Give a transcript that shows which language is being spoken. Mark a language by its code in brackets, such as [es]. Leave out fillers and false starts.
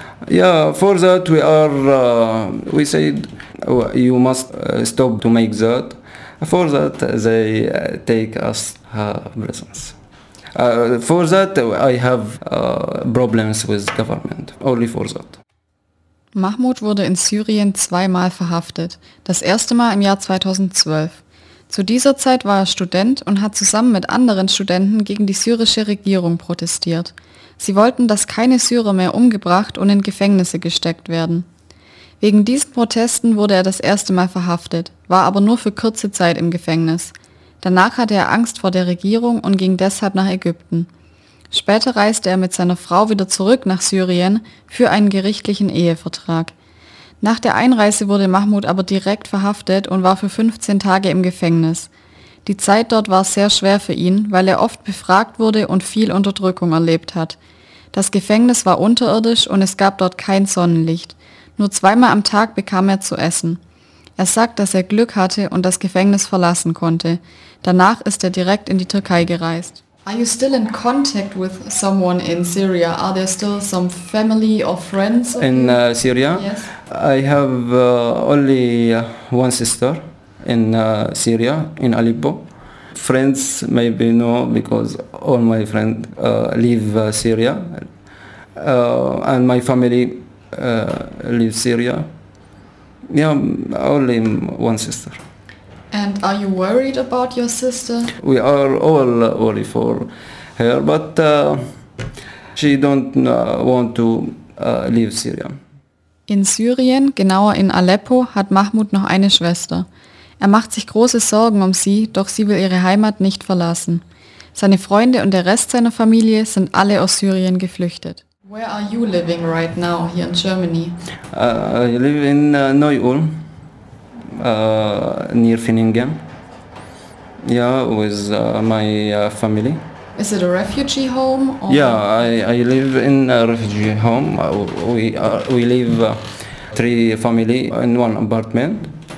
[en] Yeah, for that we are we said you must stop to make that. For that, they take us prisons. For that, I have problems with government, only for that. [de] Mahmud wurde in Syrien 2 Mal verhaftet, das erste Mal im Jahr 2012. Zu dieser Zeit war er Student und hat zusammen mit anderen Studenten gegen die syrische Regierung protestiert. Sie wollten, dass keine Syrer mehr umgebracht und in Gefängnisse gesteckt werden. Wegen diesen Protesten wurde er das erste Mal verhaftet, war aber nur für kurze Zeit im Gefängnis. Danach hatte er Angst vor der Regierung und ging deshalb nach Ägypten. Später reiste er mit seiner Frau wieder zurück nach Syrien für einen gerichtlichen Ehevertrag. Nach der Einreise wurde Mahmud aber direkt verhaftet und war für 15 Tage im Gefängnis. Die Zeit dort war sehr schwer für ihn, weil er oft befragt wurde und viel Unterdrückung erlebt hat. Das Gefängnis war unterirdisch und es gab dort kein Sonnenlicht. Nur zweimal am Tag bekam er zu essen. Er sagt, dass er Glück hatte und das Gefängnis verlassen konnte. Danach ist er direkt in die Türkei gereist. [en] Are you still in contact with someone in Syria? Are there still some family or friends? In Syria? Yes. I have only one sister in Syria, in Aleppo. Friends maybe no, because all my friends leave Syria. And my family leave Syria. Yeah, only one sister. And are you worried about your sister? We are all worried for her, but she don't want to leave Syria. [de] In Syrien, genauer in Aleppo, hat Mahmoud noch eine Schwester. Er macht sich große Sorgen um sie, doch sie will ihre Heimat nicht verlassen. Seine Freunde und der Rest seiner Familie sind alle aus Syrien geflüchtet. [en] Where are you living right now here in Germany? I live in Neu-Ulm, near Finningen. Yeah, with my family. Is it a refugee home? Or? Yeah, I live in a refugee home. We live three family in one apartment.